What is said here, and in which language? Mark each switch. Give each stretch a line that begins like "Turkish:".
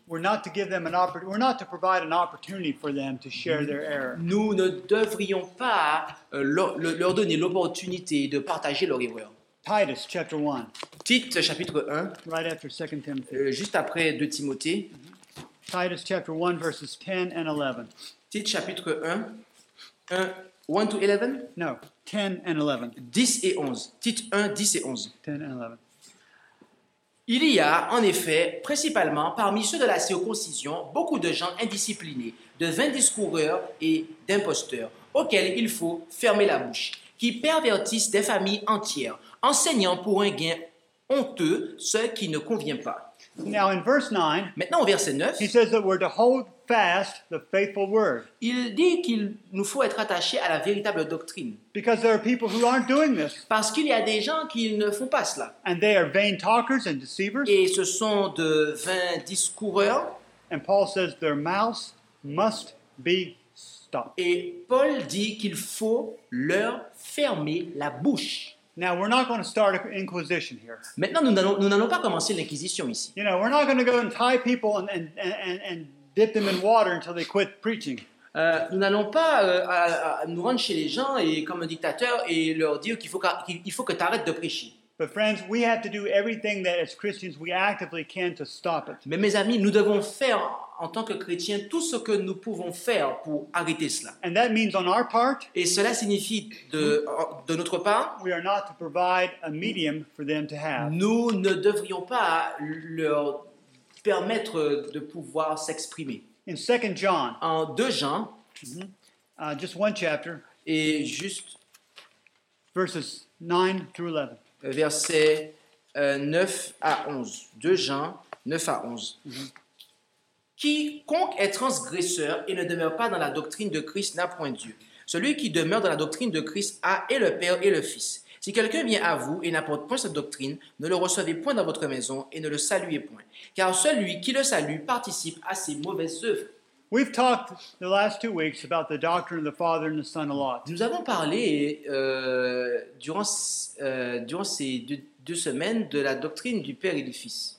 English: We're not to give them an opportunity. We're not to provide an opportunity for them to share their error.
French: Nous ne devrions pas leur donner l'opportunité de partager leur erreur.
English: Titus chapter 1.
French: Tite chapitre 1.
English: Right after 2 Timothy.
French: Juste après 2 Timothée.
English: Titus chapter 1 verses 10 and 11.
French: Tite chapitre 1 to 11?
English: No, 10 and 11.
French: 10 et 11. Tite 1 10 et 11.
English: 10 and 11.
French: Il y a, en effet, principalement parmi ceux de la circoncision, beaucoup de gens indisciplinés, de vains discoureurs et d'imposteurs, auxquels il faut fermer la bouche, qui pervertissent des familles entières, enseignant pour un gain honteux ce qui ne convient pas.
English: Now in verse 9,
French: maintenant au verset 9,
English: he says that we're to hold fast the faithful word.
French: Il dit qu'il nous faut être attachés à la véritable doctrine.
English: Because there are people who aren't doing this.
French: Parce qu'il y a des gens qui ne font pas cela.
English: And they are vain talkers and deceivers.
French: Et ce sont de vains discoureurs.
English: And Paul says their mouths must be stopped.
French: Et Paul dit qu'il faut leur fermer la bouche.
English: Now we're not going to start an inquisition here.
French: Maintenant nous n'allons pas commencer l'inquisition ici.
English: You know, we're not going to go and tie people and dip them in water until they quit preaching.
French: Nous n'allons pas nous rendre chez les gens et comme un dictateur et leur dire qu'il faut que tu arrêtes de prêcher.
English: But friends, we have to do everything that as Christians we actively can to stop it.
French: Mais mes amis, nous devons faire en tant que chrétiens tout ce que nous pouvons faire pour arrêter cela.
English: And that means on our part,
French: et cela signifie de notre part,
English: we are not to provide a medium for them to have.
French: Nous ne devrions pas leur permettre de pouvoir s'exprimer.
English: In 2 John,
French: en 2 Jean,
English: just one chapter,
French: et juste
English: verses 9 through 11.
French: Versets 9 à 11. 2 Jean 9 à 11. Quiconque est transgresseur et ne demeure pas dans la doctrine de Christ n'a point Dieu. Celui qui demeure dans la doctrine de Christ a et le Père et le Fils. Si quelqu'un vient à vous et n'apporte point cette doctrine, ne le recevez point dans votre maison et ne le saluez point. Car celui qui le salue participe à ses mauvaises œuvres.
English: We've talked the last 2 weeks about the doctrine of the Father and the Son a lot.
French: Nous avons parlé durant ces deux semaines de la doctrine du Père et du Fils.